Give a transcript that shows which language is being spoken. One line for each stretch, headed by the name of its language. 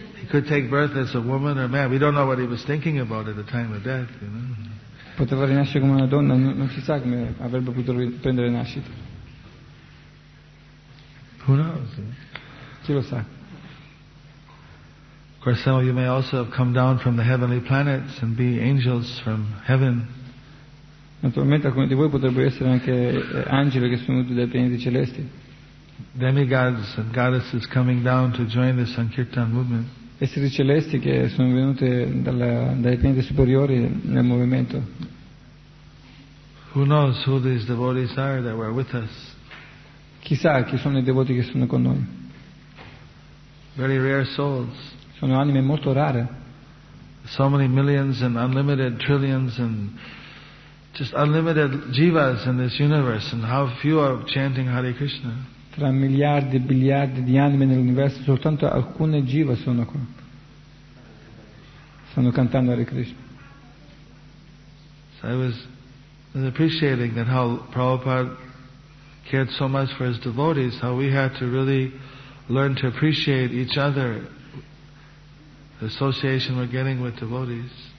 English: could take birth as a woman or a man. We don't know what he was thinking about at the time of death, you know.
Italian: Poteva rinascere come una donna, non si sa come avrebbe potuto prendere nascita.
English: Who knows?
Italian: Chi lo sa?
English: Of course, some of you may also have come down from the heavenly planets and be angels from heaven.
Italian: Naturalmente, alcuni di voi potrebbero essere anche angeli che sono venuti dai pianeti celesti.
English: Demigods and goddesses coming down to join the Sankirtan movement.
Italian: Esseri celesti che sono venuti dai pianeti superiori nel movimento.
English: Who knows who these devotees are that were with us?
Italian: Chissà chi sono i devoti che sono con noi.
English: Very rare souls.
Italian: Sono anime molto rare.
English: So many millions and unlimited trillions and just unlimited jivas in this universe, and how few are chanting Hare Krishna.
Italian: Tra miliardi e biliardi di anime nell'universo, soltanto alcune jiva sono qua. Stanno cantando Hare Krishna.
English: So I was appreciating that how Prabhupada cared so much for his devotees, how we had to really learn to appreciate each other, the association we're getting with devotees.